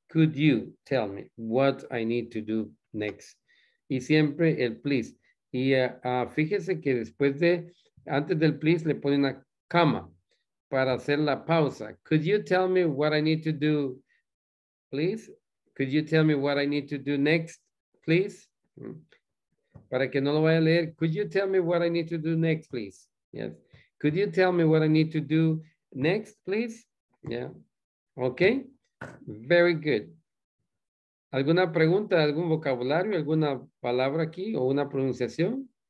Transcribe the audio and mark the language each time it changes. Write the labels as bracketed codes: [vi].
[en] Could you tell me what I need to do next? [es] Y siempre el please. Y fíjese que después de, antes del please, le pone una coma para hacer la pausa. [en] Could you tell me what I need to do, please? Could you tell me what I need to do next, please? [es] Para que no lo vaya a leer, [en] could you tell me what I need to do next, please? Yes. Could you tell me what I need to do next, please? Yeah. Okay. Very good. [es] ¿Alguna pregunta, algún vocabulario, alguna palabra aquí o una pronunciación?